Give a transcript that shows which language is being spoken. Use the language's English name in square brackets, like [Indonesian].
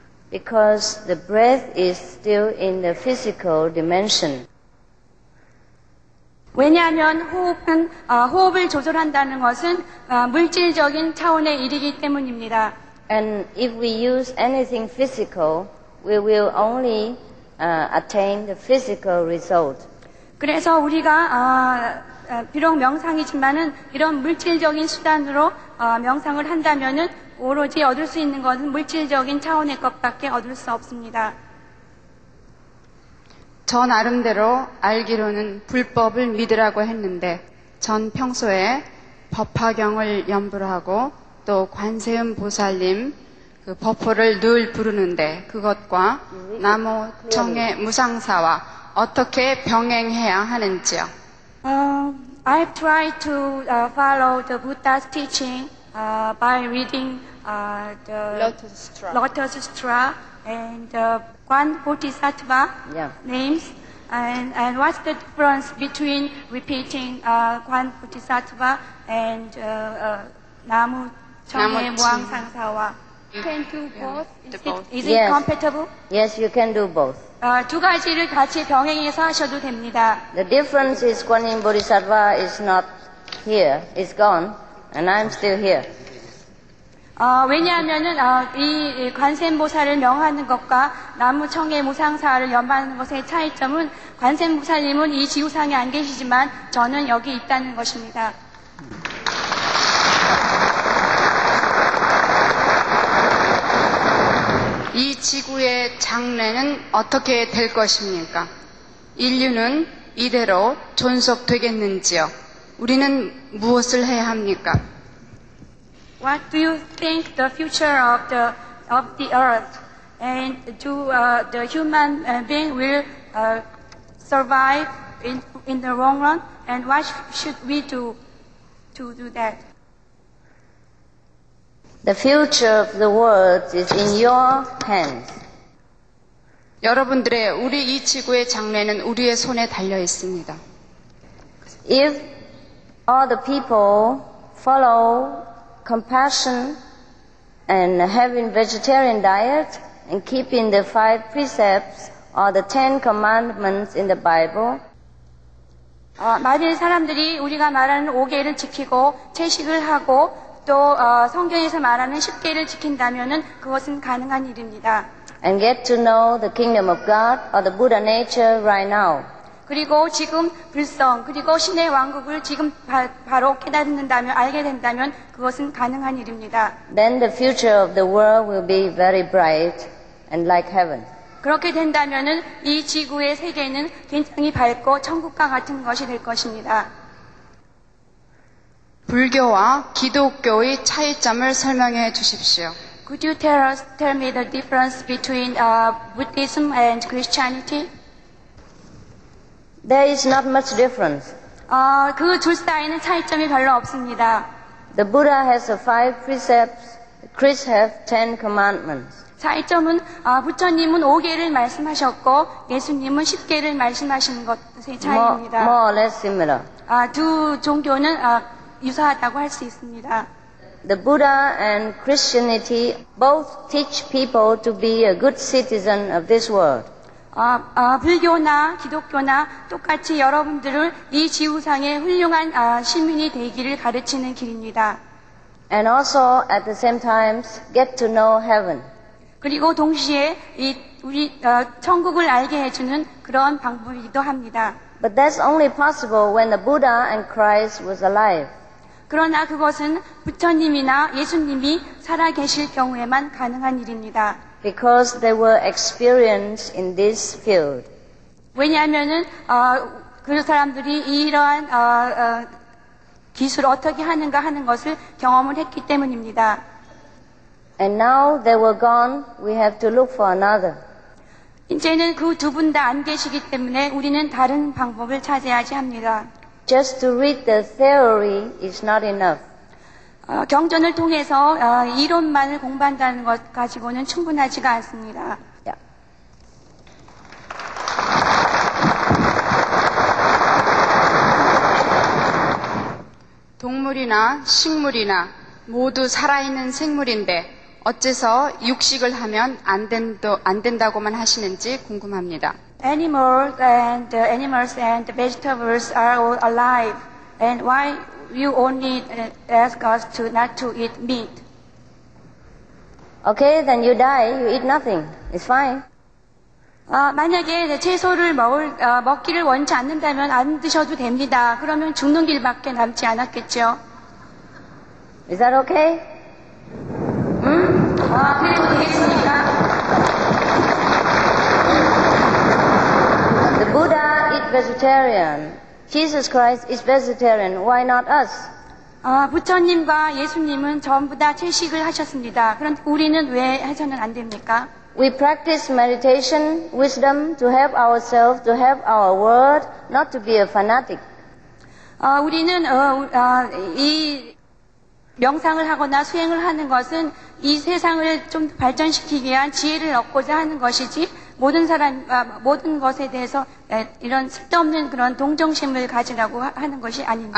[English] Because the breath is still in the physical dimension. [Korean] 왜냐하면 호흡은 호흡을 조절한다는 것은 물질적인 차원의 일이기 때문입니다. [English] And if we use anything physical, we will only attain the physical result. [Korean] 그래서 우리가 비록 명상이지만은 이런 물질적인 수단으로 명상을 한다면은 오로지 얻을 수 있는 것은 물질적인 차원의 것밖에 얻을 수 없습니다. 저 나름대로 알기로는 불법을 믿으라고 했는데 전 평소에 법화경을 염불 하고 또 관세음 보살님 그 버퍼를 늘 부르는데 그것과 나무 정의 무상사와 어떻게 병행해야 하는지요? [English] I tried to follow the Buddha's teaching by reading the Lotus Sutra and the Guan Bodhisattva names. And what's the difference between repeating Guan Bodhisattva and Namu Chonghae Muangsangsawa? Can do both? Is it compatible? Yes, you can do both. [Korean] 두 가지를 같이 병행해서 하셔도 됩니다. [English] The difference is Guan Yin Bodhisattva is not here. It's gone. And I'm still here. [Korean] 왜냐하면은 이 관세음보살을 명하는 것과 나무청의 무상사를 염하는 것의 차이점은 관세음보살님은 이 지구상에 안 계시지만 저는 여기 있다는 것입니다. 지구의 장래는 어떻게 될 것입니까? 인류는 이대로 존속되겠는지요? 우리는 무엇을 해야 합니까? [English] What do you think the future of the earth and the human being will survive in the long run? And what should we do to do that? The future of the world is in your hands. [Korean] 여러분들의 우리 이 지구의 장래는 우리의 손에 달려 있습니다. [English] If all the people follow compassion and having vegetarian diet and keeping the five precepts or the ten commandments in the Bible. [Korean] 많은 사람들이 우리가 말하는 5계를 지키고 채식을 하고 또 성경에서 말하는 10계를 지킨다면은 그것은 가능한 일입니다. [English] And get to know the kingdom of God or the Buddha nature right now. [Korean] 그리고 지금 불성 그리고 신의 왕국을 지금 바로 깨닫는다면 알게 된다면 그것은 가능한 일입니다. [English] Then the future of the world will be very bright and like heaven. [Korean] 그렇게 된다면은 이 지구의 세계는 굉장히 밝고 천국과 같은 것이 될 것입니다. 불교와 기독교의 차이점을 설명해 주십시오. [English] Could you tell me the difference between Buddhism and Christianity? There is not much difference. [Korean] 그 둘 사이에는 차이점이 별로 없습니다. [English] The Buddha has five precepts. Chris has ten commandments. [Korean] 차이점은 부처님은 5계를 말씀하셨고 예수님은 10계를 말씀하시는 것의 차이입니다. [English] More or less similar. [Korean] 두 종교는 유사하다고 할 수 있습니다. [English] The Buddha and Christianity both teach people to be a good citizen of this world. [Korean] 불교나 기독교나 똑같이 여러분들을 이 지구상의 훌륭한 시민이 되기를 가르치는 길입니다. [English] And also at the same time get to know heaven. [Korean] 그리고 동시에 이 우리 천국을 알게 해주는 그런 방법이기도 합니다. [English] But that's only possible when the Buddha and Christ was alive. [Korean] 그러나 그것은 부처님이나 예수님이 살아계실 경우에만 가능한 일입니다. [English] Because they were experienced in this field. [Korean] 왜냐하면은 그 사람들이 이러한 기술 어떻게 하는가 하는 것을 경험을 했기 때문입니다. [English] And now they were gone. We have to look for another. [Korean] 이제는 그 두 분 다 안 계시기 때문에 우리는 다른 방법을 찾아야지 합니다. [English] Just to read the theory is not enough. [Korean] 경전을 통해서 이론만을 공부한다는 것 가지고는 충분하지가 않습니다. [English] Yeah. [Korean] (웃음) 동물이나 식물이나 모두 살아있는 생물인데 어째서 육식을 하면 안 된다고만 하시는지 궁금합니다. [English] Animals and the animals and the vegetables are all alive. And why you only ask us to not to eat meat? Okay, then you die. You eat nothing. It's fine. [Korean] 만약에 채소를 먹기를 원치 않는다면 안 드셔도 됩니다. 그러면 죽는 길밖에 남지 않았겠죠. [English] Is that okay? [Korean] 그래도 되겠습니까? [English] The Buddha is vegetarian. Jesus Christ is vegetarian. Why not us? [Korean] 부처님과 예수님은 전부 다 채식을 하셨습니다. 그런데 우리는 왜 해서는 안 됩니까? [English] We practice meditation, wisdom to help ourselves, to help our world, not to be a fanatic. [Korean] 우리는 이 명상을 하거나 수행을 하는 것은 이 세상을 좀 발전시키기 위한 지혜를 얻고자 하는 것이지 모든 것에 대해서 이런 쓸데없는 그런 동정심을 가지라고 하는 것이 아닙니다.